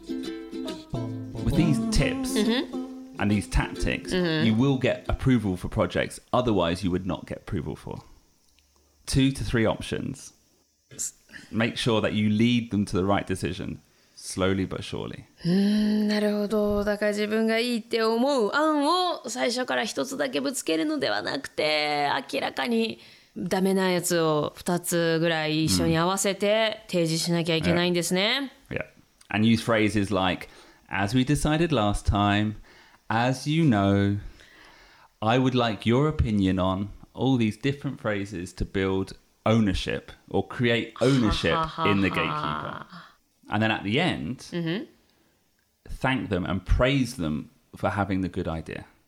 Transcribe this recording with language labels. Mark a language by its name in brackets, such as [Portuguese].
[English] Mm-hmm. And these tactics, mm-hmm. you will get approval for projects. Otherwise, you would not get approval for. 2 to 3 options. Make sure that you lead them to the right decision. Slowly but surely. [Japanese] なるほど。だから自分がいいって思う案を最初から一つだけぶつけるのではなくて、明らかにダメなやつを二つぐらい一緒に合わせて提示しなきゃいけないんですね。 [English] Yeah. And use phrases like,As we decided last time, as you know, I would like your opinion on all these different phrases to build ownership or create ownership in the gatekeeper. And then at the end, thank them and praise them for having the good idea.